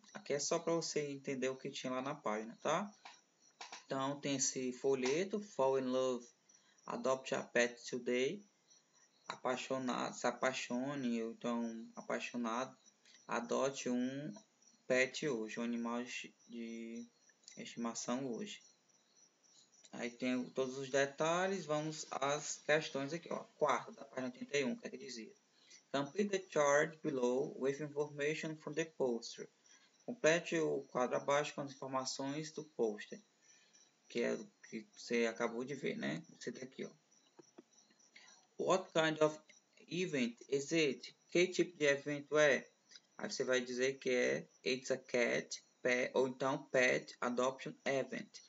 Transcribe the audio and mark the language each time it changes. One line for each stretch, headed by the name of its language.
Portuguese: Aqui é só para você entender o que tinha lá na página, tá? Então, tem esse folheto,
English: Fall in Love, Adopt a Pet Today.
Portuguese: Apaixonado, se apaixone, ou então apaixonado Adote um pet hoje, um animal de estimação hoje. Aí tem todos os detalhes, vamos às questões aqui, ó. Quarta, da página 81, que é que dizia?
English: Complete the chart below with information from the poster.
Portuguese: Complete o quadro abaixo com as informações do poster, que é o que você acabou de ver, né? Esse daqui, ó.
English: What kind of event is it?
Portuguese: Que tipo de evento é? Aí você vai dizer que é
English: it's a cat, pet,
Portuguese: ou então
English: pet adoption event.